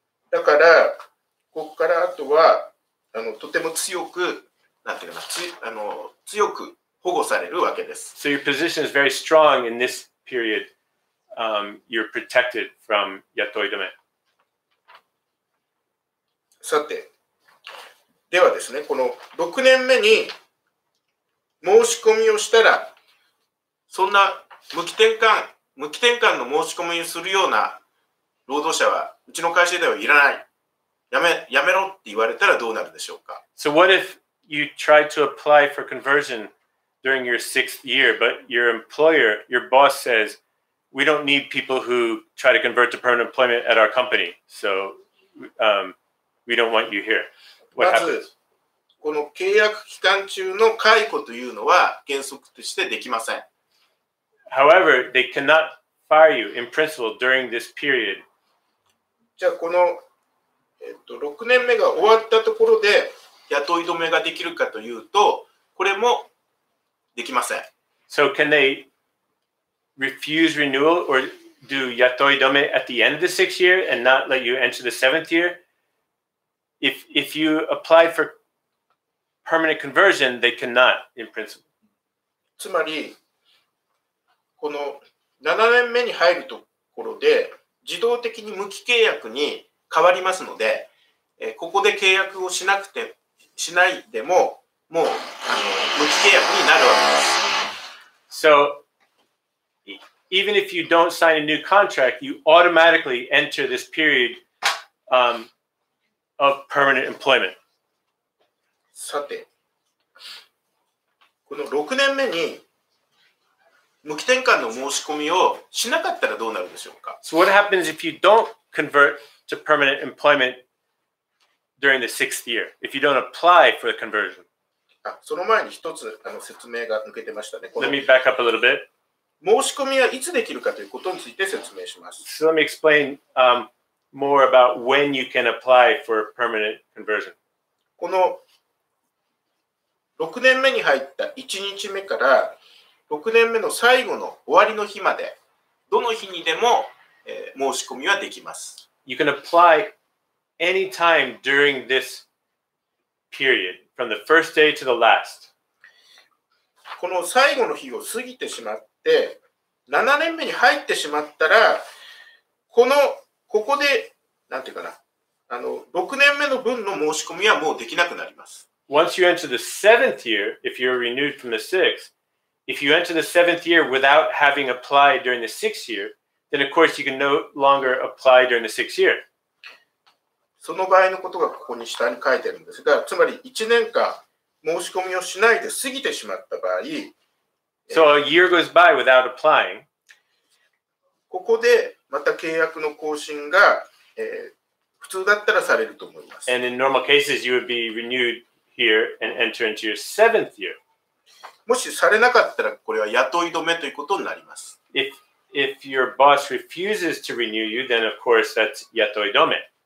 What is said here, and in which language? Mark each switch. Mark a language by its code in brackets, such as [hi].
[ja] だから、ここからあとはとても強く、なんていうかな、強く保護されるわけです。 [en] So your position is very strong in this period. You're protected from 雇い止め。 [ja] さて、ではですね、この6年目に申し込みをしたら、そんな無期転換の申し込みをするような労働者は、うちの会社ではいらない。やめろって言われたらどうなるでしょうか。 [en] So what if you try to apply for conversion during your sixth year, but your employer, your boss says,We don't need people who try to convert to permanent employment at our company. So, we don't want you here. What happens? [ja] まず、この契約期間中の解雇というのは原則としてできません。 [en] However, they cannot fire you in principle during this period. [ja] じゃあ、この、6年目が終わったところで雇い止めができるかというと、これもできません。 [en] So, can they... Refuse renewal or do yatoi dome at the end of the sixth year and not let you enter the seventh year? If you apply for permanent conversion, they cannot in principle. [ja] つまり、この7年目に入るところで自動的に無期契約に変わりますので、ここで契約をしないでも、もう無期契約になるわけです。 [en] So,Even if you don't sign a new contract, you automatically enter this period, of permanent employment. [ja] さて、この6年目に無期転換の申し込みをしなかったらどうなるでしょうか? [en] So what happens if you don't convert to permanent employment during the sixth year? If you don't apply for the conversion? [ja] あ、その前に一つ説明が抜けてましたね。この [en] Let me back up a little bit. [ja] 申し込みはいつできるかということについて説明します。 [en] So let me explain, more about when you can apply for permanent conversion. [ja] この6年目に入った1日目から6年目の最後の終わりの日まで、どの日にでも、申し込みはできます。 [en] You can apply anytime during this period, from the first day to the last. [ja] この最後の日を過ぎてしまったで7年目に入ってしまったらここでなんていうかな6年目の分の申し込みはもうできなくなります。 [en] Once you enter the seventh year, if you're renewed from the sixth, if you enter the seventh year without having applied during the sixth year, then of course you can no longer apply during the sixth year. [ja] その場合のことがここに下に書いてるんですが、つまり1年間申し込みをしないで過ぎてしまった場合、 [en] So a year goes by without applying. [ja] ここでまた契約の更新が、普通だったらされると思います。 [en] And in normal cases, you would be renewed here and enter into your seventh year. [ja] もしされなかったらこれは雇い止めということになります。 [en] If your boss refuses to renew you, then of course that's 雇い止め。